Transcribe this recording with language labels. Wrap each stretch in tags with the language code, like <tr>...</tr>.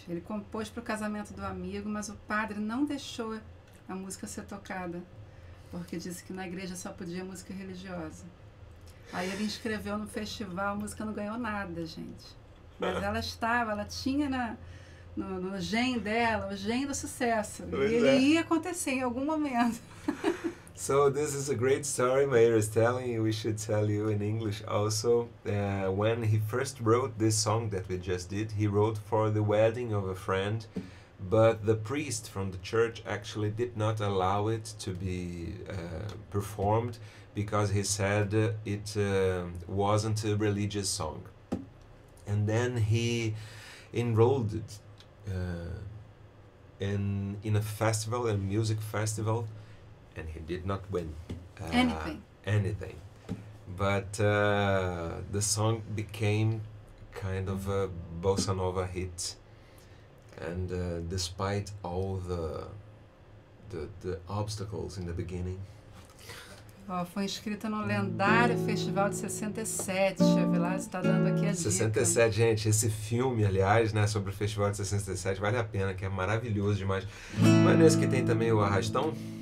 <pt>Ele compôs para o casamento do amigo, mas o padre não deixou a música ser tocada, porque disse que na igreja só podia música religiosa. Aí ele inscreveu no festival, a música não ganhou nada, gente. Mas ela estava, ela tinha no gen dela, o gen do sucesso. Pois e ele ia acontecer em algum momento.</pt> <en>So this is a great story Mayer is telling. We should tell you in English also. When he first wrote this song that we just did, he wrote for the wedding of a friend, but the priest from the church actually did not allow it to be performed because he said it wasn't a religious song. And then he enrolled it in a festival, a music festival, and he did not win anything. But the song became kind of a bossa nova hit, and despite all the obstacles in the beginning.</en> <pt>Oh, foi inscrita no lendário festival de 67. A Vilas está dando aqui a 67, Gente, esse filme, aliás, né, sobre o festival de 67, vale a pena, que é maravilhoso demais. Mas nesse que tem também o arrastão.</pt>